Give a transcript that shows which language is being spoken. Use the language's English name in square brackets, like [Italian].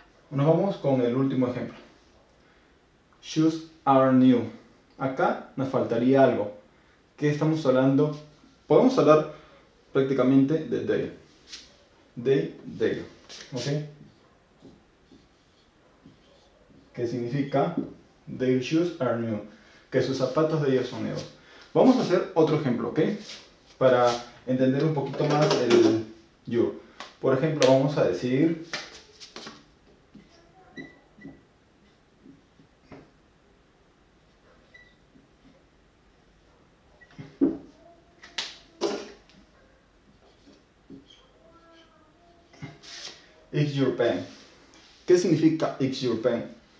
[Spanish] Nos vamos con el último ejemplo. [English] Shoes are new. [Spanish] Acá nos faltaría algo. ¿Qué estamos hablando? Podemos hablar prácticamente de they. They. ¿Ok? Que significa [English] their shoes are new. [Spanish] Que sus zapatos de ellos son nuevos. Vamos a hacer otro ejemplo, ¿ok? Para entender un poquito más el you. Por ejemplo, vamos a decir, [English] it's your pen. [Spanish] ¿Qué significa it's your pen?